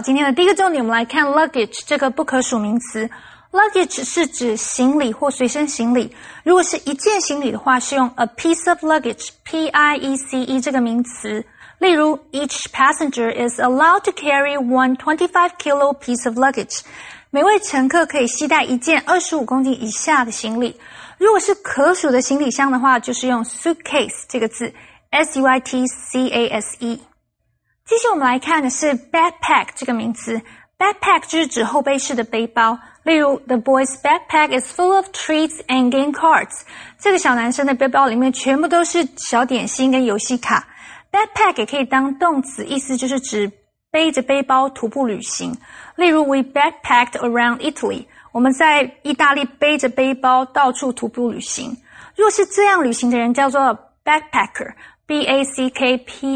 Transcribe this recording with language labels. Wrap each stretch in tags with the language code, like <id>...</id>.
<zh>今天的第一个重点我们来看 luggage 这个不可数名词。 Luggage 是指行李或随身行李。如果是一件行李的话是用</zh> <en>a piece of luggage,</en> <zh>P-I-E-C-E 这个名词。例如</zh> <en>,each passenger is allowed to carry one 25 kilo piece of luggage.</en> <zh>每位乘客可以携带一件25公斤以下的行李。如果是可数的行李箱的话就是用 suitcase 这个字 ,S-U-I-T-C-A-S-E。接下来我们来看的是 backpack 这个名词。backpack 就是指后备式的背包。例如</zh> <en>,the boy's backpack is full of treats and game cards.</en> <zh>这个小男生的背包里面全部都是小点心跟游戏卡。 Backpack 也可以当动词，意思就是指背着背包徒步旅行。例如</zh> <en>,we backpacked around Italy.</en> <zh>我们在意大利背着背包到处徒步旅行。若是这样旅行的人叫做 backpacker, B-A-C-K-P-A-C-K-E-R。</zh>